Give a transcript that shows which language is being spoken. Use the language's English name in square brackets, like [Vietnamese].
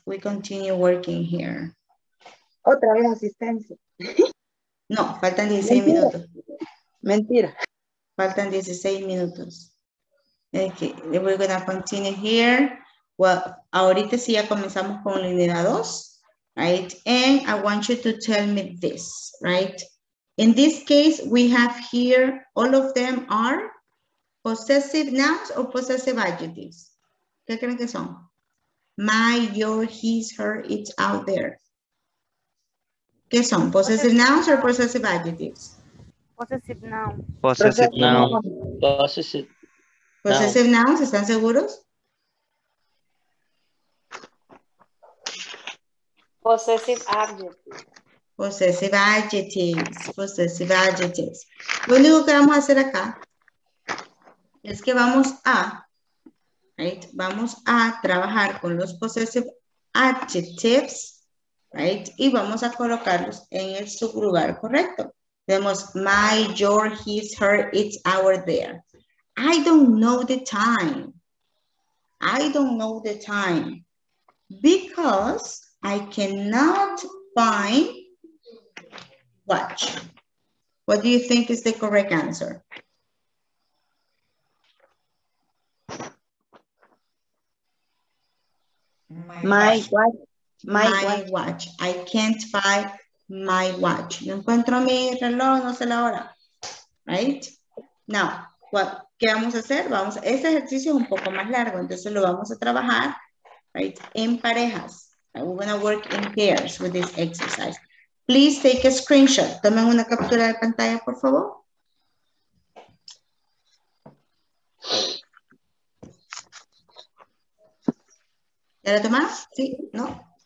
[English] We continue working here. [Spanish] Otra vez asistencia. No, faltan 16 minutos. Mentira. Faltan 16 minutos. [English] Okay, we're going to continue here. [Spanish] Well, ahorita sí ya comenzamos con la unidad 2, right? [English] And I want you to tell me this, right? In this case, we have here, all of them are, possessive nouns or possessive adjectives? [Spanish] ¿Qué creen que son? [English] My, your, his, her, it's out there. [Spanish] ¿Qué son? [English] Possessive nouns or possessive adjectives? Possessive nouns. Possessive nouns. Possessive. Possessive nouns, [Spanish] ¿están seguros? [English] Possessive adjectives. Possessive adjectives. Possessive adjectives. [Spanish] Lo único que vamos a hacer acá es que vamos a, right, vamos a trabajar con los possessive adjectives, right, y vamos a colocarlos en el sublugar correcto. [English] Tenemos my, your, his, her, it's, our, there. I don't know the time. I don't know the time. Because I cannot find watch. What do you think is the correct answer? My watch. I can't find my watch. [Spanish] No encuentro mi reloj, no sé la hora. Right? [English] Now, what, [Spanish] ¿qué vamos a hacer? Vamos, este ejercicio es un poco más largo, entonces lo vamos a trabajar, right, en parejas. [English] We're going to work in pairs with this exercise. Please take a screenshot. [Spanish] Tomen una captura de pantalla, por favor. ¿Ya la tomás? Sí, ¿no?